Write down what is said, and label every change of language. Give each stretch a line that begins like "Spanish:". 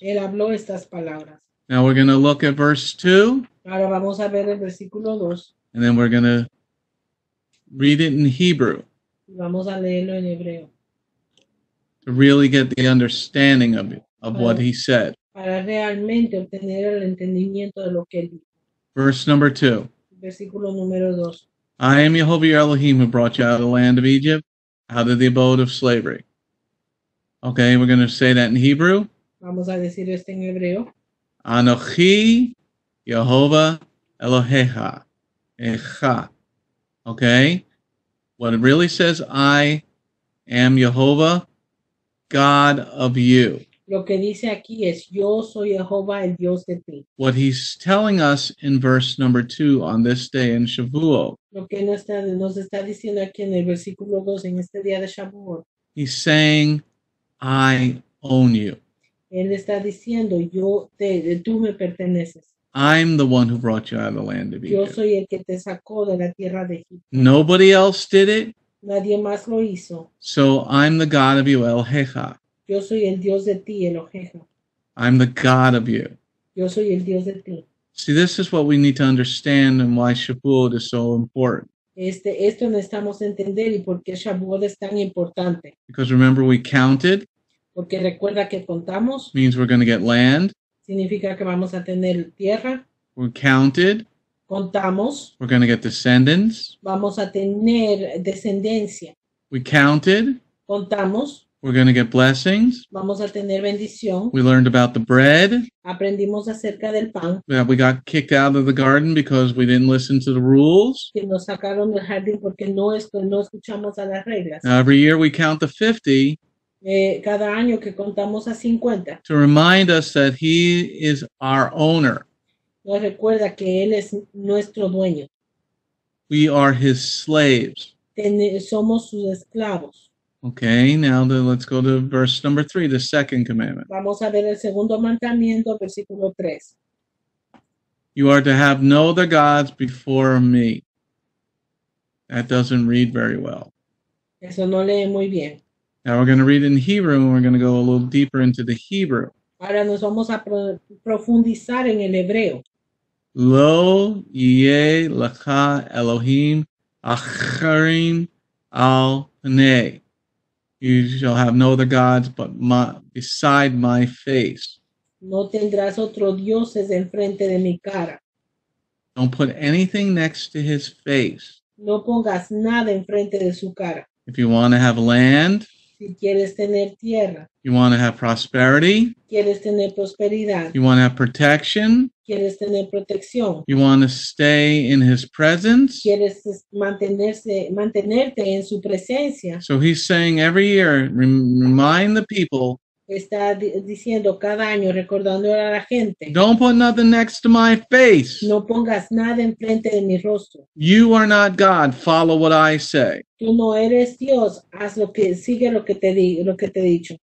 Spanish: Él habló estas palabras.
English: Now we're going to look at verse 2.
Spanish: Ahora vamos a ver el versículo 2.
English: And then we're going to read it in Hebrew.
Spanish: Vamos a leerlo en hebreo.
English: To really get the understanding of what he said.
Spanish: Para realmente obtener el entendimiento de lo que él dijo.
English: Verse number 2.
Spanish: Versículo número 2.
English: I am Yehovah your Elohim, who brought you out of the land of Egypt, out of the abode of slavery. Okay, we're going to say that in Hebrew.
Spanish: Vamos a decir esto en hebreo.
Hebrew: Anochi Yehovah Eloheha. Echa. Okay?
English: What it really says, I am Yehovah, God of you.
Spanish: Lo que dice aquí es, yo soy Jehovah, el Dios de ti.
English: What he's telling us in verse number 2 on this day in Shavuot.
Spanish: Lo que nos está diciendo aquí en el versículo 2 en este día de Shavuot.
English: He's saying, I own you.
Spanish: Él está diciendo, yo tú me perteneces.
English: I'm the one who brought you out of the land of Egypt.
Spanish: Yo soy el que te sacó de la tierra de Egipto.
English: Nobody else did it.
Spanish: Nadie más lo hizo.
English: So I'm the God of you, El Heja.
Spanish: Yo soy el Dios de ti, El Heja.
English: I'm the God of you.
Spanish: Yo soy el Dios de ti.
English: See, this is what we need to understand and why Shavuot is so important.
Spanish: Esto necesitamos entender y por qué Shavuot es tan importante.
English: Because remember we counted.
Spanish: Porque recuerda que contamos.
English: Means we're going to get land.
Spanish: Significa que vamos a tener tierra.
English: We're counted.
Spanish: Contamos.
English: We're going to get descendants.
Spanish: Vamos a tener descendencia.
English: We counted.
Spanish: Contamos.
English: We're going to get blessings.
Spanish: Vamos a tener bendición.
English: We learned about the bread.
Spanish: Aprendimos acerca del pan.
English: That we got kicked out of the garden because we didn't listen to the rules.
Spanish: Que nos sacaron del jardín porque no escuchamos a las reglas.
English: Now, every year we count the 50.
Spanish: Cada año que contamos a 50.
English: To remind us that he is our owner.
Spanish: Nos recuerda que él es nuestro dueño.
English: We are his slaves.
Spanish: Somos sus esclavos.
English: Okay, now let's go to verse number 3, the second commandment.
Spanish: Vamos a ver el segundo mandamiento, versículo 3.
English: You are to have no other gods before me. That doesn't read very well.
Spanish: Eso no lee muy bien.
English: Now we're going to read in Hebrew and we're going to go a little deeper into the Hebrew.
Spanish: Ahora nos vamos a profundizar en el hebreo.
Hebrew: Lo ye lecha Elohim acharim al ne.
English: You shall have no other gods but beside my face.
Spanish: No tendrás otros dioses enfrente de mi cara.
English: Don't put anything next to his face.
Spanish: No pongas nada enfrente de su cara.
English: If you want to have land.
Spanish: Si quieres tener tierra.
English: You want to have prosperity.
Spanish: Quieres tener prosperidad.
English: You want to have protection.
Spanish: Quieres tener protección.
English: You want to stay in his presence.
Spanish: Quieres mantenerte en su presencia.
English: So he's saying every year, remind the people.
Spanish: Está diciendo cada año, recordándole a la gente.
English: Don't put nothing next to my face.
Spanish: No pongas nada enfrente de mi rostro.
English: You are not God. Follow what I say.
Spanish: Tú no eres Dios. Haz lo que sigue lo que te he dicho.